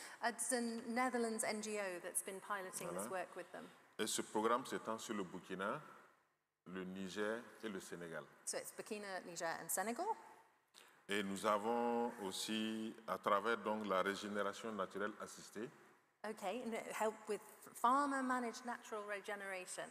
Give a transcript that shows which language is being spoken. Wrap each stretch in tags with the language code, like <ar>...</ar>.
<en>It's a Netherlands NGO that's been piloting this work with them.</en> <fr>Et ce programme s'étend sur le Burkina, le Niger et le Sénégal.</fr> <en>So it's Burkina, Niger and Senegal.</en> <fr>Et nous avons aussi, à travers donc la régénération naturelle assistée.</fr> <en>Okay, and help with farmer-managed natural regeneration.</en>